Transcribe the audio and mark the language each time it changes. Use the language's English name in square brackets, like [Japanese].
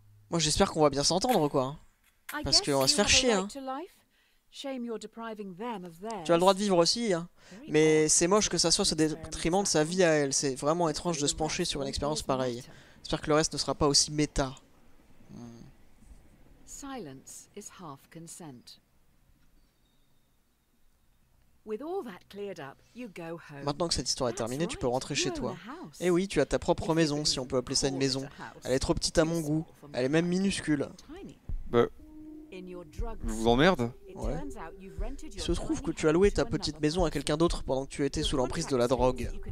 [French] Moi j'espère qu'on va bien s'entendre quoi. Parce qu'on va se faire chier hein. Tu as le droit de vivre aussi hein. Mais c'est moche que ça soit ce détriment de sa vie à elle. C'est vraiment étrange de se pencher sur une expérience pareille. J'espère que le reste ne sera pas aussi méta. [English] Silence is half consent. With all that cleared up, you go home. [French] Maintenant que cette histoire est terminée, tu peux rentrer chez toi. Eh oui, tu as ta propre maison, si on peut appeler ça une maison. Elle est trop petite à mon goût. Elle est même minuscule. Bah... je vous emmerde ? Ouais. Il se trouve que tu as loué ta petite maison à quelqu'un d'autre pendant que tu étais sous l'emprise de la drogue.